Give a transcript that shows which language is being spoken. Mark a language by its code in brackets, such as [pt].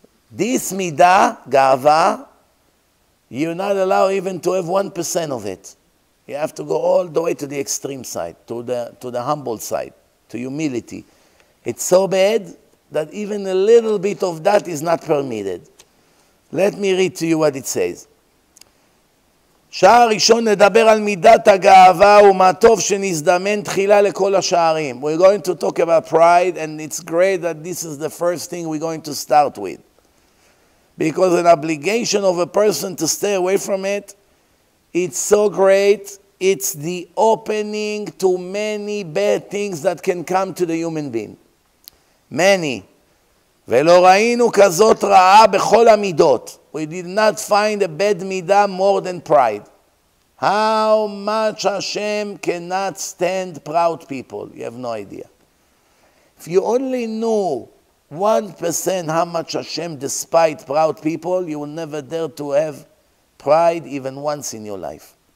[en] This midah, gava, you're not allowed even to have 1% of it. You have to go all the way to the extreme side, to the humble side, to humility. It's so bad, that even a little bit of that is not permitted. Let me read to you what it says. [he] שער ראשון נדבר על מידת הגאווה ומה טוב שנזדמן תחילה לכל השערים. [en] We're going to talk about pride, and it's great that this is the first thing we're going to start with. Because an obligation of a person to stay away from it, it's so great, it's the opening to many bad things that can come to the human being. Many. [he] ולא ראינו כזאת רעה בכל המידות. [en] We did not find a bad midah more than pride. How much Hashem cannot stand proud people? You have no idea. If you only knew 1% how much Hashem despised proud people, you will never dare to have pride even once in your life.